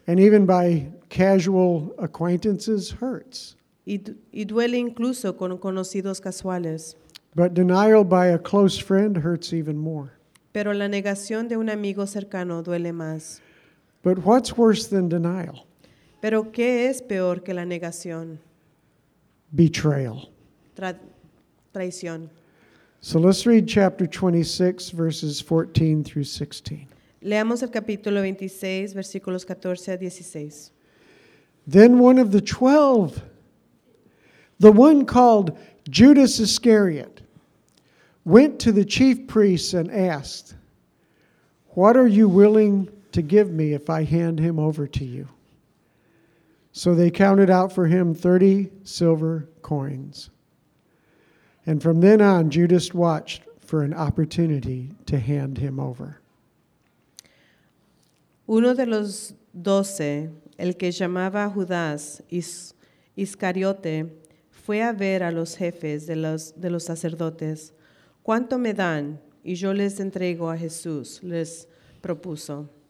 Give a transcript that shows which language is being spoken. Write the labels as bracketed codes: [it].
[en] and even by casual acquaintances hurts. [es] Y duele incluso con conocidos casuales. [en] But denial by a close friend hurts even more. [es] Pero la negación de un amigo cercano duele más. [en] But what's worse than denial? [es] Pero ¿qué es peor que la negación? [en] Betrayal. [es] Traición. [en] So let's read chapter 26, verses 14 through 16. [es] Leamos el capítulo 26, versículos 14 a 16. [en] Then one of the 12, the one called Judas Iscariot, went to the chief priests and asked, "What are you willing to give me if I hand him over to you?" So they counted out for him 30 silver coins. And from then on, Judas watched for an opportunity to hand him over. [es] Uno de los 12, el que llamaba Judas Iscariote, fue a ver a los jefes de los sacerdotes. ¿Cuánto me dan? Y yo les entrego a Jesús, les propuso.